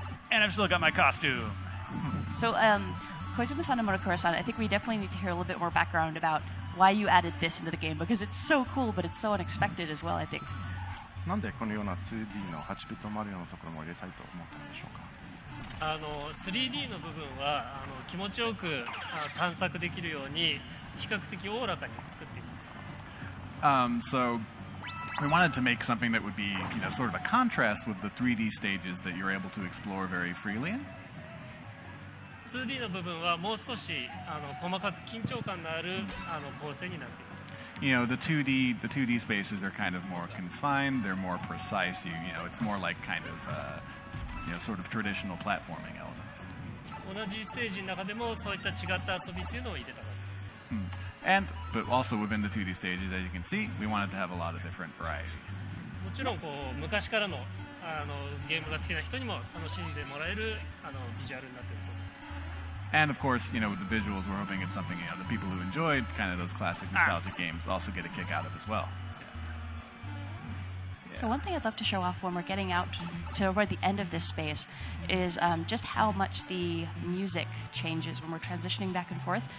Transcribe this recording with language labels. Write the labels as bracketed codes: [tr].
[en] And I've still got my costume. So, Koizumi-san and Morikura-san, I think we definitely need to hear a little bit more background about why you added this into the game, because it's so cool, but it's so unexpected as well, I think. [ja] Why did you add this 2D の 8-bit Mario の ところも入れたいと思ったんでしょうか? 3D の部分は気持ちよく探索できるように比較的大らかに作っています。 [en] We wanted to make something that would be, you know, sort of a contrast with the 3D stages that you're able to explore very freely in. [ja] 2D の部分はもう少し細かく緊張感のある構成になっています。 [en] You know, the 2D spaces are kind of more confined, they're more precise, you know, it's more like kind of, sort of traditional platforming elements. [ja] 同じステージの中でもそういった違った遊びっていうのを入れたかったです。 Hmm. [en] And, but also within the 2D stages, as you can see, we wanted to have a lot of different variety. [ja] もちろんこう昔からのゲームが好きな人にも楽しんでもらえるビジュアルになっていると思います。 [en] And of course, you know, with the visuals, we're hoping it's something, you know, the people who enjoyed kind of those classic nostalgic games also get a kick out of as well. So one thing I'd love to show off when we're getting out to toward the end of this space is just how much the music changes when we're transitioning back and forth.